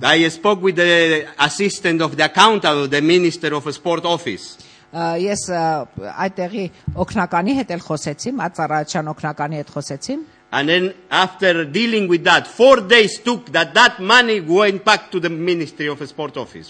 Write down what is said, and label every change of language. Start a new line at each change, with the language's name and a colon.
English: I spoke with the assistant of the accountant of the Minister of a Sport Office.
Armenian: Yes, այդտեղի օկնականի հետ էլ խոսեցի, ծառայության օկնականի հետ խոսեցի.
English: And then after dealing with that, 4 days took that money went back to the Ministry of a Sport Office.